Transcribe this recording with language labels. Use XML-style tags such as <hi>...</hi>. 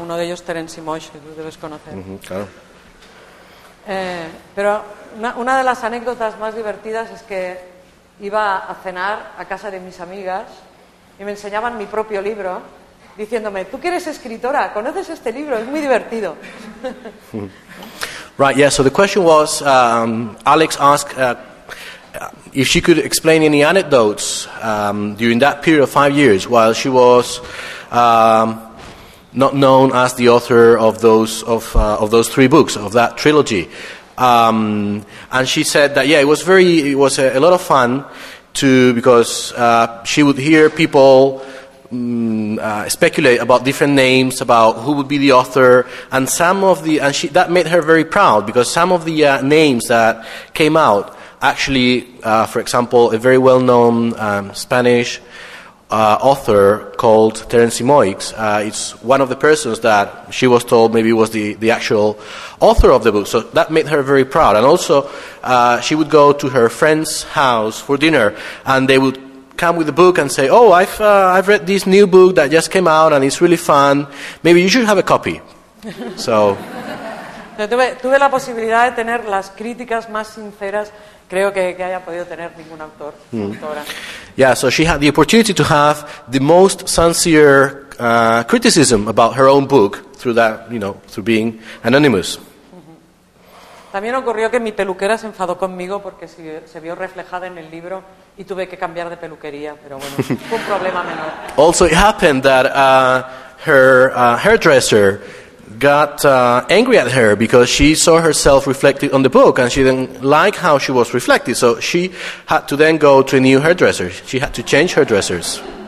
<es>Uno de ellos, Terence Moshe, que tú debes conocer. Claro. Pero una de las anécdotas más divertidas es que iba a cenar a casa de mis amigas y me enseñaban mi propio libro, diciéndome, tú que eres escritora, ¿conoces este libro? Es muy divertido.</es> <en>Right, yeah, so the question was, Alex asked if she could explain any anecdotes during that period of 5 years while she was not known as the author of those 3 books of that trilogy, and she said that it was a lot of fun because she would hear people speculate about different names, about who would be the author, and that made her very proud because some of the names that came out. Actually, for example, a very well-known Spanish author called Terence Moix. It's one of the persons that she was told maybe was the actual author of the book. So that made her very proud. And also, she would go to her friend's house for dinner, and they would come with the book and say, oh, I've read this new book that just came out, and it's really fun. Maybe you should have a copy. So</en> <es>tuve la posibilidad de tener las críticas más sinceras. Creo que haya podido tener ningún autor.</es> <en>Yeah, so she had the opportunity to have the most sincere criticism about her own book through that, you know, through being anonymous.</en> <es>También ocurrió que mi peluquera se enfadó conmigo porque se vio reflejada en el libro y tuve que cambiar de peluquería, pero bueno, fue un problema menor.</es> <en>Also, it happened that her hairdresser got angry at her because she saw herself reflected on the book and she didn't like how she was reflected, so she had to then go to a new hairdresser. She had to change hairdressers.</en>